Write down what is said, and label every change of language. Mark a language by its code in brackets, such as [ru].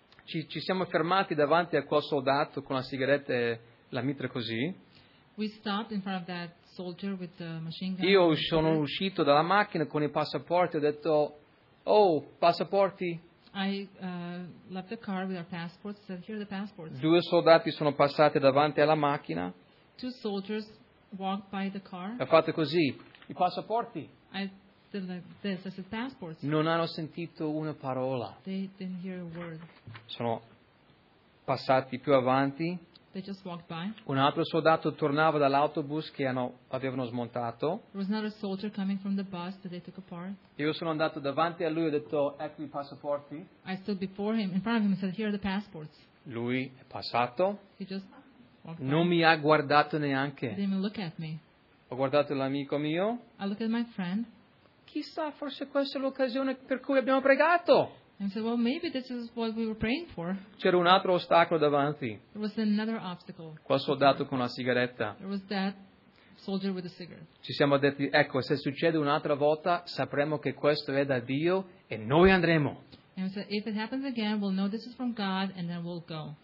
[it] Ci siamo fermati davanti a quel soldato con la sigaretta, la mitra così. [en] We stopped in front of that soldier with the machine gun. [it] Io sono uscito dalla macchina con i passaporti, ho detto, oh, passaporti. [en] I left the car with our passports, said, here are the passports. [it] Due soldati sono passati davanti alla macchina. [en] Two soldiers walked by the car. [it] Ha fatto così, i passaporti. [en] I did like this, I said, passports. [it] Non hanno sentito una parola. [en] They didn't hear a word. [it] Sono passati più avanti. [en] They just walked by. [it] Un altro soldato tornava dall'autobus che avevano smontato. [en] There was another soldier coming from the bus that they took apart. [it] Io sono andato davanti a lui e ho detto, ecco i passaporti. [en] I stood before him, in front of him, and said, here are the passports. [it] Lui è passato. [en] He just walked by. [it] Non mi ha guardato neanche. [en] He didn't even look at me. [it] Ho guardato l'amico mio. [en] I looked at my friend. [it] Chissà, forse questa è l'occasione per cui abbiamo pregato. [en] And said, well, maybe this is what we were praying for. [it] C'era un altro ostacolo davanti. [en] There was another obstacle. [it] Quel soldato con la sigaretta. [en] There was that soldier with a cigarette. [it] Ci siamo detti, ecco, se succede un'altra volta, sapremo che questo è da Dio e noi andremo. [en] And we said, if it happens again, we'll know this is from God and then we'll go.